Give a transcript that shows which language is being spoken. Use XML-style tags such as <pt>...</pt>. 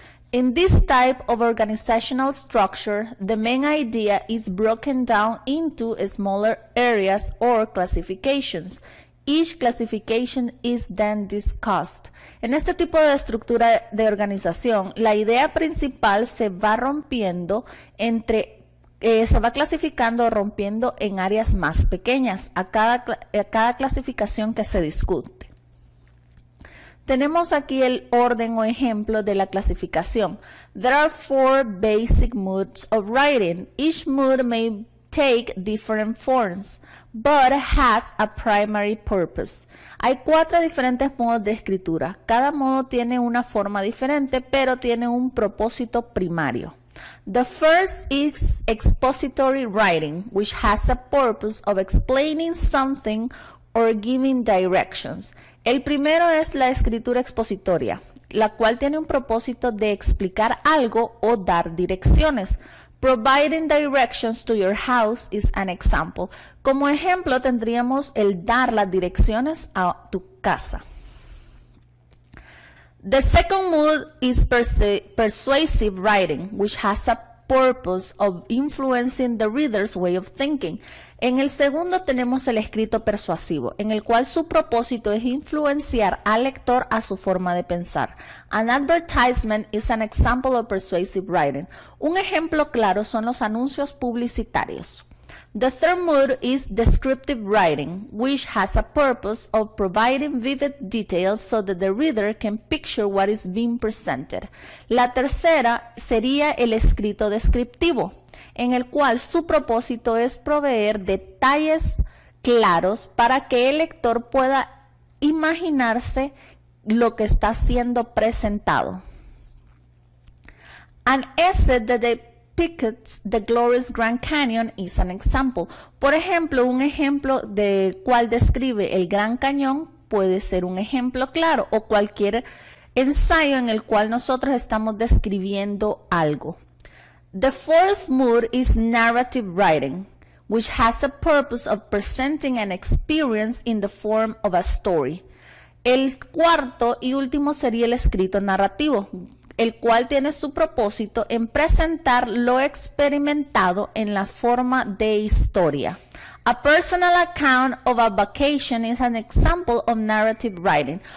<en>In this type of organizational structure, the main idea is broken down into smaller areas or classifications. Each classification is then discussed.</en> <es>En este tipo de estructura de organización, la idea principal se va rompiendo entre, se va clasificando o rompiendo en áreas más pequeñas a cada clasificación que se discute. Tenemos aquí el orden o ejemplo de la clasificación.</es> <en>There are four basic modes of writing. Each mode may take different forms, but has a primary purpose.</en> <es>Hay cuatro diferentes modos de escritura. Cada modo tiene una forma diferente, pero tiene un propósito primario.</es> <en>The first is expository writing, which has a purpose of explaining something or giving directions.</en> <es>El primero es la escritura expositoria, la cual tiene un propósito de explicar algo o dar direcciones.</es> <en>Providing directions to your house is an example.</en> <es>Como ejemplo, tendríamos el dar las direcciones a tu casa.</es> <en>The second mood is persuasive writing, which has a purpose of influencing the reader's way of thinking.</en> <es>En el segundo tenemos el escrito persuasivo, en el cual su propósito es influenciar al lector a su forma de pensar.</es> <en>An advertisement is an example of persuasive writing.</en> <es>Un ejemplo claro son los anuncios publicitarios.</es> <en>The third mode is descriptive writing, which has a purpose of providing vivid details so that the reader can picture what is being presented.</en> <es>La tercera sería el escrito descriptivo, en el cual su propósito es proveer detalles claros para que el lector pueda imaginarse lo que está siendo presentado.</es> <en>An essay that they Pickett's The Glorious Grand Canyon is an example.</en> <es>Por ejemplo, un ejemplo de cuál describe el Gran Cañón puede ser un ejemplo claro o cualquier ensayo en el cual nosotros estamos describiendo algo.</es> <en>The fourth mood is narrative writing, which has a purpose of presenting an experience in the form of a story.</en> <es>El cuarto y último sería el escrito narrativo, el cual tiene su propósito en presentar lo experimentado en la forma de historia.</es> <en>A personal account of a vacation is an example of narrative writing.</en>